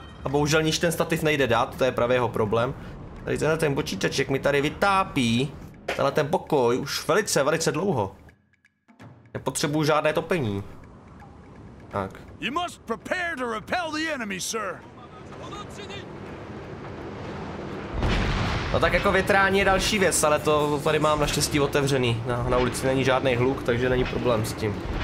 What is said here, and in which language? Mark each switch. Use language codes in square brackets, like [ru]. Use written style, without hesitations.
[cs] A bohužel níž ten stativ nejde dát, to je právě jeho problém. Tady tenhle ten počítaček mi tady vytápí. Tenhle ten pokoj už velice, velice dlouho. Nepotřebuju žádné topení. Tak. [en] You must prepare to repel the enemy, sir. [cs] No tak jako větrání je další věc, ale to tady mám naštěstí otevřený. Na ulici není žádný hluk, takže není problém s tím.